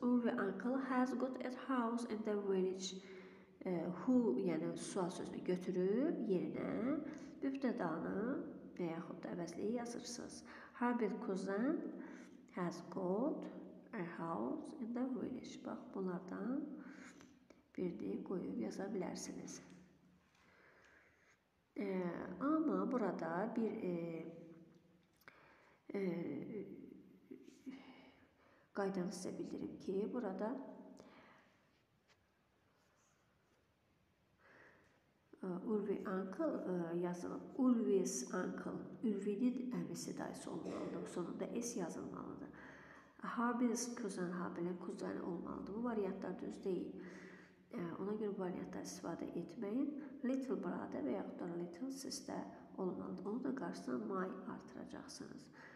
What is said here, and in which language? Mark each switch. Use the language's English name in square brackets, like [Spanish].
[English] Uri uncle has got a house in the village. Who, [Azerbaijani] yəni sual sözünü götürüb yerinə mübtədanı və yaxud da əvəzliyi yazırsınız. [English] Habil cousin has got a house in the village. [Azerbaijani] Bax, bunlardan birini qoyub yaza bilərsiniz. Amma burada bir qaydanı sizə bildirim ki, burada [English] Ulvi uncle [Azerbaijani] yazılıb. [English] Ulvi's uncle, [Azerbaijani] Ulvi'nin əmisi dayısı olmalıdır. Sonunda S yazılmalıdır. [English] Habil's cousin, [Azerbaijani] Habil'in kuzeni olmalıdır. Bu variantlar düz deyil. Ona görə bu variantlar istifadə etməyin. [English] Little brother [Azerbaijani] və yaxud da [English] little sister [Azerbaijani] olmalıdır. Onu da qarşısına [English] my [Azerbaijani] artıracaqsınız.